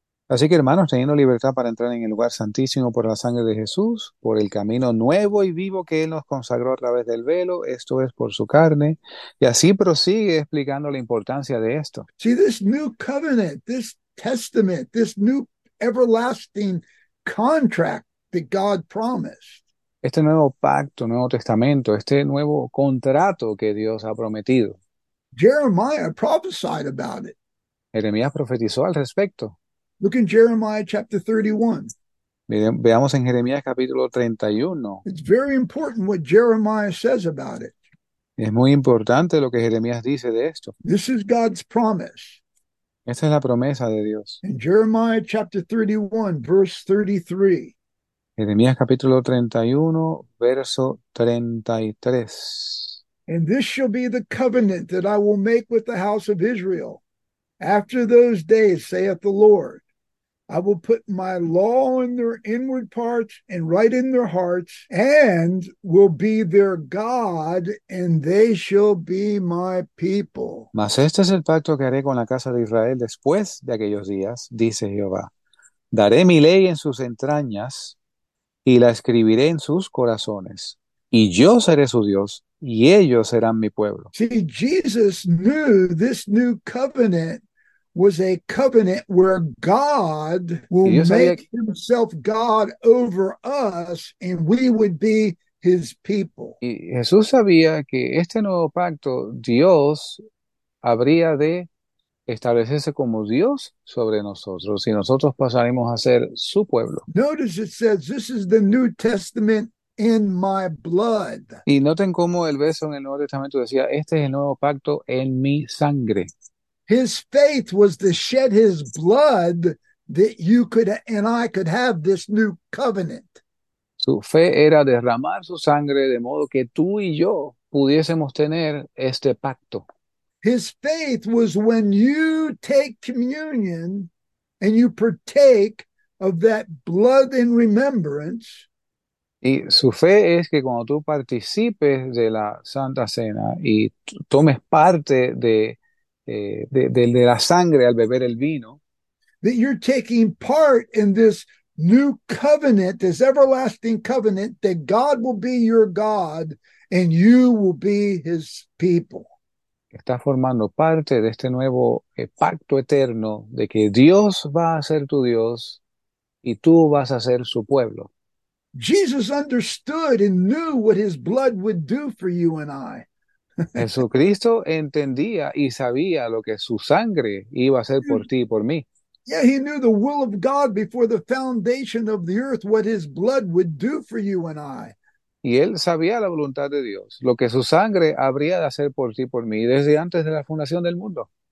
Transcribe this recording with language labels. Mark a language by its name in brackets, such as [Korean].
[Spanish] Así que hermanos, teniendo libertad para entrar en el lugar santísimo por la sangre de Jesús, por el camino nuevo y vivo que Él nos consagró a través del velo, esto es por su carne, y así prosigue explicando la importancia de esto. [English] See, this new covenant, this testament, this new everlasting contract that God promised. [Spanish] Este nuevo pacto, nuevo testamento, este nuevo contrato que Dios ha prometido. [English] Jeremiah prophesied about it. [Spanish] Jeremías profetizó al respecto. [English] Look in Jeremiah chapter 31. [Spanish] Veamos en Jeremías capítulo 31. [English] It's very important what Jeremiah says about it. [Spanish] Es muy importante lo que Jeremías dice de esto. [English] This is God's promise. [Spanish] Esta es la promesa de Dios. [English] In Jeremiah chapter 31, verse 33. [Spanish] Jeremías capítulo 31, verso 33. [English] "And this shall be the covenant that I will make with the house of Israel after those days, saith the Lord. I will put my law in their inward parts and write in their hearts, and will be their God, and they shall be my people. [Spanish] Mas este es el pacto que haré con la casa de Israel después de aquellos días, dice Jehová. Daré mi ley en sus entrañas y la escribiré en sus corazones. Y yo seré su Dios y ellos serán mi pueblo. [English] See, Jesus knew this new covenant was a covenant where God will make himself God over us and we would be his people. [Spanish] Y Jesús sabía que este nuevo pacto, Dios habría de establecerse como Dios sobre nosotros y nosotros pasaremos a ser su pueblo. [English] Notice it says, this is the New Testament in my blood. [Spanish] Y noten cómo el verso en el Nuevo Testamento decía, este es el nuevo pacto en mi sangre. [English] His faith was to shed his blood that you could and I could have this new covenant. [Spanish] Su fe era derramar su sangre de modo que tú y yo pudiésemos tener este pacto. [English] His faith was when you take communion and you partake of that blood in remembrance. [Spanish] Y su fe es que cuando tú participes de la Santa Cena y tomes parte de la sangre al beber el vino, [English] that you're taking part in this new covenant, this everlasting covenant, that God will be your God and you will be his people. [Spanish] Está formando parte de este nuevo pacto eterno de que Dios va a ser tu Dios y tú vas a ser su pueblo. [English] Jesus understood and knew what his blood would do for you and I. [Spanish] Jesucristo entendía y sabía lo que su sangre iba a hacer por ti y por mí. [English] Yeah, he knew the will of God before the foundation of the earth, what his blood would do for you and I. [Spanish] Y él sabía la voluntad de Dios, lo que su sangre habría de hacer por ti y por mí desde antes de la fundación del mundo.